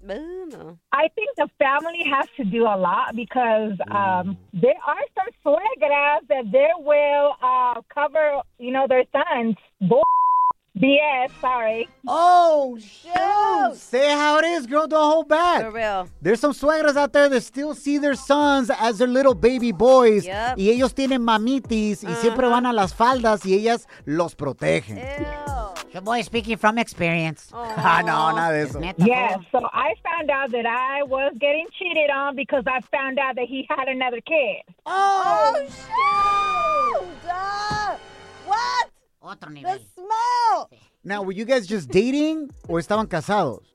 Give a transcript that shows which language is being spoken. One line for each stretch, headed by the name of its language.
English: I think the family has to do a lot because there are some suegras that they will cover, you know, their sons. Oh, shoot. Say how it is, girl. Don't hold back. For real. There's some suegras out there that still see their sons as their little baby boys. Yep.
Spanish: Y ellos tienen mamitis y siempre van a las faldas y ellas los protegen.
English: Ew. Your boy speaking from experience. No, not this one. Yeah, so I found out that I was getting cheated on because I found out that he had another kid. Oh, shoot. The smell! Now, were you guys just dating or
Spanish: estaban casados?